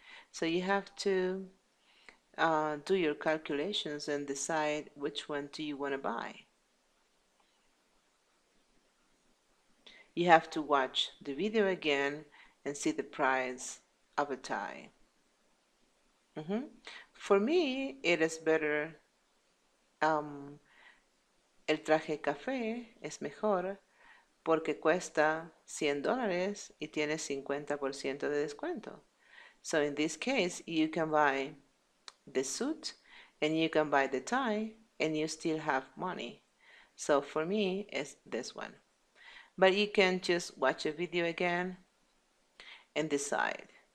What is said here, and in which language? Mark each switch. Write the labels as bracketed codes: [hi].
[en] So you have to do your calculations and decide which one do you want to buy. You have to watch the video again and see the price of a tie. For me, it is better. [es] El traje café es mejor porque cuesta $100 y tiene 50% de descuento. [en] So in this case, you can buy the suit and you can buy the tie and you still have money. So for me, it's this one. But you can just watch a video again and decide.